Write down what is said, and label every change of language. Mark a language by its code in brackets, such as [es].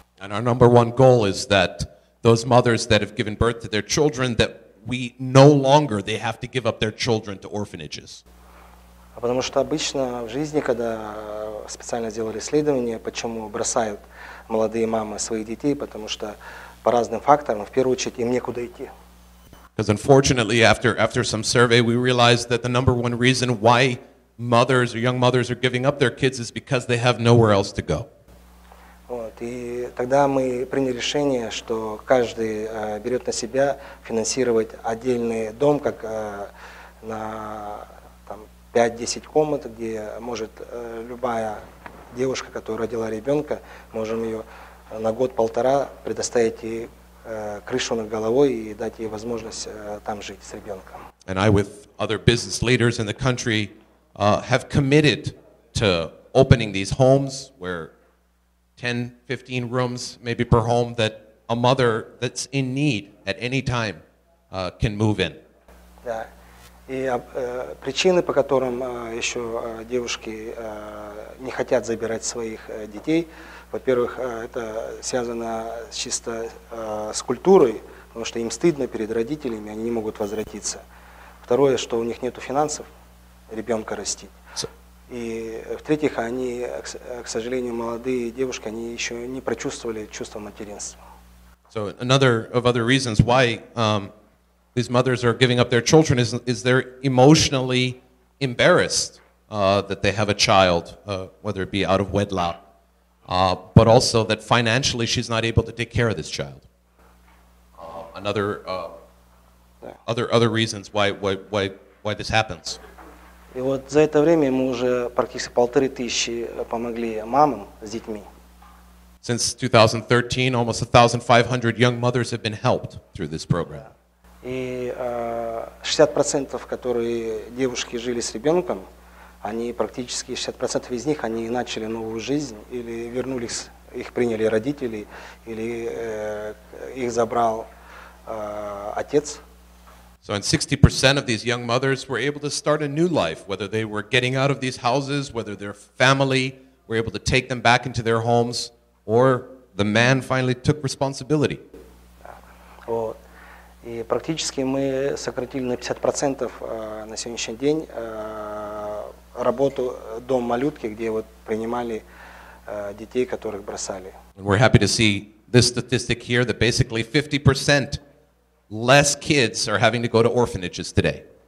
[en] And our number one goal is that those mothers that have given birth to their children that we no longer they have to give up their children to orphanages. [ru] Потому что обычно в жизни, когда специально сделали исследование, почему бросают молодые мамы своих детей, потому что по разным факторам, в первую очередь, им некуда идти. [en] Because unfortunately, after some survey, we realized that the number one reason why mothers or young mothers are giving up their kids is because they have nowhere else to go. [ru] Вот, и тогда мы приняли решение, что каждый берет на себя финансировать отдельный дом, как на 5-10 комнат, где может любая девушка, которая родила ребенка, можем ее на год-полтора предоставить ей крышу над головой и дать ей возможность там жить с ребенком. [en] And I, with other business leaders in the country, have committed to opening these homes where 10, 15 rooms maybe per home that a mother that's in need at any time can move in. [ru] Да. И причины, по которым еще девушки не хотят забирать своих детей, во-первых, это связано чисто с культурой, потому что им стыдно перед родителями, они не могут возвратиться. Второе, что у них нет финансов ребенка растить. И в-третьих, они, к сожалению, молодые девушки, они еще не прочувствовали чувство материнства. [en] So another of other reasons why these mothers are giving up their children is they're emotionally embarrassed that they have a child, whether it be out of wedlock, but also that financially she's not able to take care of this child. Other reasons why this happens. [ru] И вот за это время мы уже практически 1500 помогли мамам с детьми. [en] Since 2013, almost 1,500 young mothers have been helped through this program. [ru] И 60%, которые девушки жили с ребенком, они практически 60% из них, они начали новую жизнь или вернулись, их приняли родители или их забрал отец. [en] So, and 60% of these young mothers were able to start a new life, whether they were getting out of these houses, whether their family were able to take them back into their homes. Or the man finally took responsibility. [ru] Вот. И практически мы сократили на 50% на сегодняшний день работу дом малютки, где вот принимали детей, которых бросали. [en] And we're happy to see this statistic here that basically 50% less kids are having to go to orphanages today.